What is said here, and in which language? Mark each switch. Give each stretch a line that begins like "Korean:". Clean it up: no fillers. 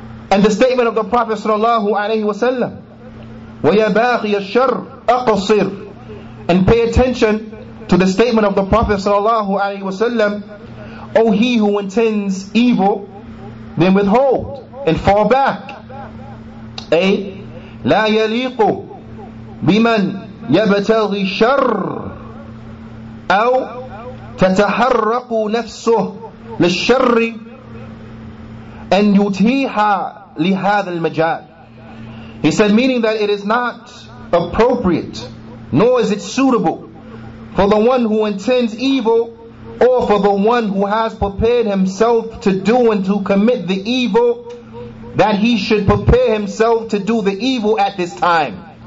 English: And the statement of the Prophet sallallahu alayhi wa sallam,
Arabic: وَيَا بَاغِيَ الشَّرُّ أقصر.
English: And pay attention to the statement of the Prophet sallallahu alaihi wasallam, O he who intends evil, then withhold and fall back.
Arabic: A لا يليق بمن يبتغي شر أو تتحرق نفسه للشر أن يتيح لهذا المجال.
English: He said, meaning that it is not appropriate, nor is it suitable, for the one who intends evil, or for the one who has prepared himself to do and to commit the evil, that he should prepare himself to do the evil at this time.